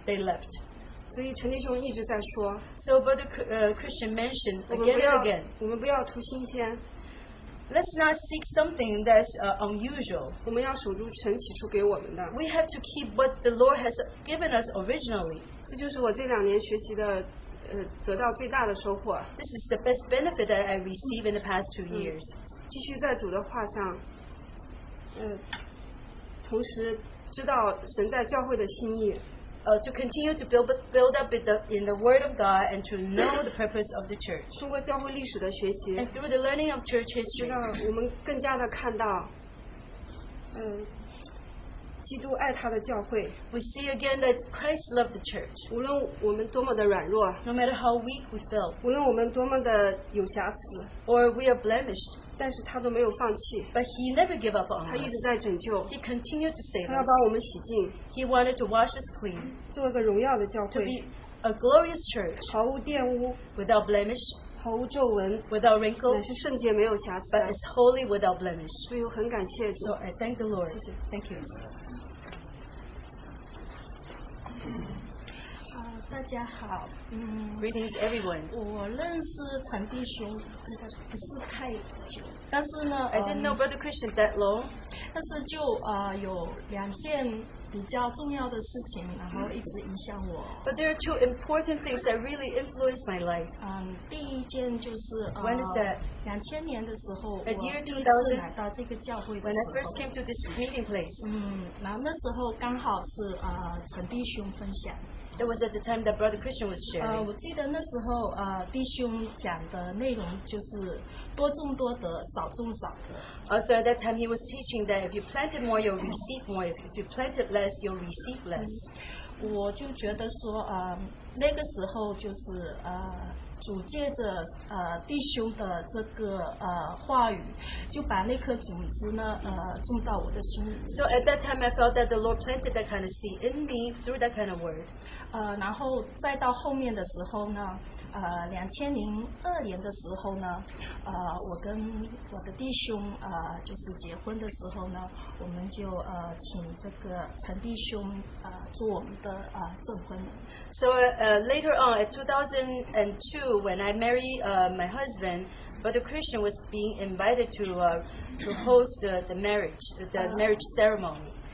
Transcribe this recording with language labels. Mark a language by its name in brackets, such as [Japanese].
[English] they left. [Chinese] 所以陈弟兄一直在说, [English] so Brother Christian mentioned again and again, [Chinese] 我们不要图新鲜, [English] let's not seek something that's unusual. We have to keep what the Lord has given us originally. [Chinese] 这就是我这两年学习的, [English] this is the best benefit that I received in the past 2 years. [Chinese] 继续在主的话上, 同时知道神在教会的心意, [English] To continue to build up in the Word of God and to know the purpose of the church. [Chinese] 通过教会历史的学习, [English] and through the learning of church history, [Chinese] 我们更加的看到, 基督爱他的教会, [English] we see again that Christ loved the church. [Chinese] 无论我们多么的软弱, [English] no matter how weak we felt, [Chinese] 无论我们多么的有瑕疵, [English] or we are blemished, [Chinese] 但是他都没有放弃, [English] but he never gave up on us. [Chinese] 他一直在拯救, [English] he continued to save us. [Chinese] 他要把我们洗净, [English] he wanted to wash us clean, [Chinese] 做一个荣耀的教会, [English] to be a glorious church, [Chinese] 毫无玷污, [English] without blemish, [Chinese] 毫无皱纹 [English] ，without wrinkle， [Chinese] 乃是圣洁没有瑕疵 [English] ，but it's holy without blemish。 [Chinese] 所以我很感谢主。 [English] So I thank the Lord。 [Chinese] 谢谢 [English] ，Thank you。 [Chinese] 大家好， [English] Greetings everyone。 [Chinese] 我认识传弟兄不是太久，但是呢 [English] ，I didn't know Brother Christian that long。 [Chinese] 但是就有两件比较重要的事情，然后一直影响我。 [English] But there are two important things that really influence my life。 [Chinese] 第一件就是 [English] When is that？ [Chinese] 2000年的时候，我第一次来到这个教会。 [English] When I first came to this meeting place。 [Chinese] 然后那时候刚好是陈弟兄分享。 [English] It was at the time that Brother Christian was sharing. [Chinese] 我记得那时候弟兄讲的内容就是多种多得，少种少得。 [English] So at that time he was teaching that if you planted more, you'll receive more. If you planted less, you'll receive less. [Chinese] 我就觉得说那个时候就是主借着弟兄的这个话语，就把那颗种子呢种到我的心里。 [English] So at that time, I felt that the Lord planted that kind of seed in me through that kind of word. [Chinese] 然后再到后面的时候呢，2002年的时候呢，我跟我的弟兄就是结婚的时候呢，我们就请这个陈弟兄做我们的证婚人。 [English] So later on, at 2002, when I married my husband, Brother Christian was being invited to host the marriage ceremony.